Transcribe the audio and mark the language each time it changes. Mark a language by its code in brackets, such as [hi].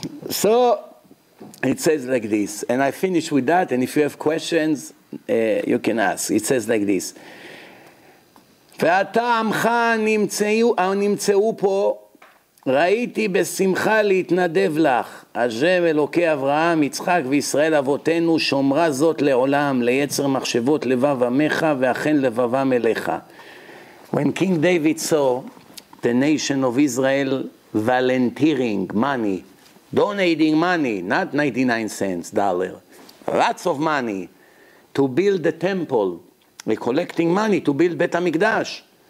[en] So it says like this, and I finish with that, and if you have questions, you can ask. It says like this. [he] ואתה עמך נמצאו פה, ראיתי בשמחה להתנדב לך. השם אלוקי אברהם, יצחק וישראל אבותינו, שומרה זאת לעולם, ליצר מחשבות לבב עמך, ואכן לבבם אליך. [en] When King David saw the nation of Israel volunteering money, donating money, not 99 cents, dollar, lots of money to build the temple, we're collecting money to build Bet HaMikdash.